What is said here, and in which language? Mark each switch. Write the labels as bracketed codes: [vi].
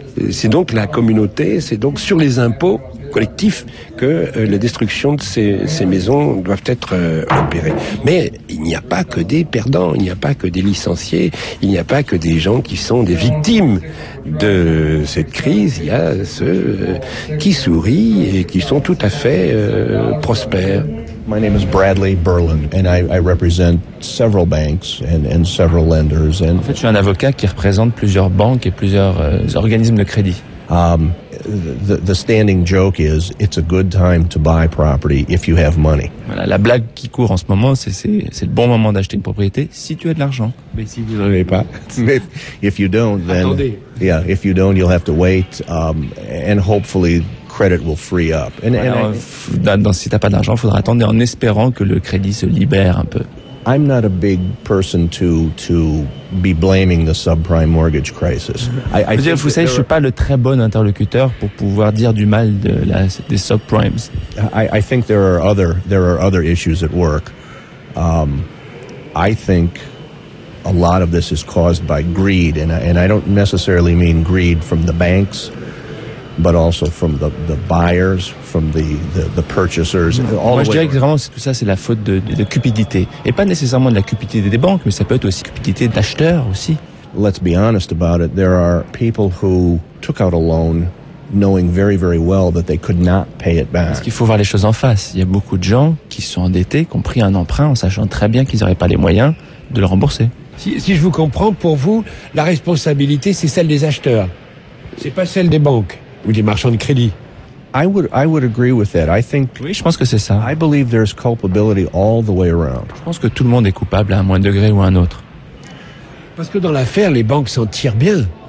[fr] C'est donc la communauté, c'est donc sur les impôts collectif que la destruction de ces maisons doivent être opérées. Mais il n'y a pas que des perdants, il n'y a pas que des licenciés, il n'y a pas que des gens qui sont des victimes de cette crise. Il y a ceux qui sourient et qui sont tout à fait prospères. [en] My name is Bradley Berlin, and I represent several banks and several lenders. And [fr] en fait, je suis un avocat qui représente plusieurs banques et plusieurs organismes de crédit. [en] The standing joke is it's a good time to buy property if you have money. [fr] Voilà, la blague qui court en ce moment, c'est le bon moment d'acheter une propriété si tu as de l'argent. Mais si vous n'en avez pas. [en] If you don't, then [fr] attendez. [en] Yeah, if you don't, you'll have to wait. And hopefully credit will free up. [fr] Si t'as pas d'argent, faudra attendre en espérant que le crédit se libère un peu. [en] I'm not a big person to be blaming the subprime mortgage crisis. [fr] Je suis pas le très bon interlocuteur pour pouvoir dire du mal de des subprimes. [en] I think there are other issues at work. I think a lot of this is caused by greed, and I don't necessarily mean greed from the banks, but also from the buyers, from the purchasers. [fr] Je dirais que vraiment tout ça, c'est la faute de cupidité, et pas nécessairement de la cupidité des banques, mais ça peut être aussi cupidité d'acheteurs aussi. [en] Let's be honest about it. There are people who took out a loan, knowing very very well that they could not pay it back. [fr] Parce qu'il faut voir les choses en face. Il y a beaucoup de gens qui sont endettés, qui ont pris un emprunt en sachant très bien qu'ils n'auraient pas les moyens de le rembourser. Si je vous comprends, pour vous, la responsabilité, c'est celle des acheteurs. C'est pas celle des banques. Ou des marchands de crédit. [en] I would agree with that. I think. [fr] Oui, je pense que c'est ça. [en] I believe there's culpability all the way around. [fr] Je pense que tout le monde est coupable à un moindre degré ou à un autre. Parce que dans l'affaire, les banques s'en tirent bien.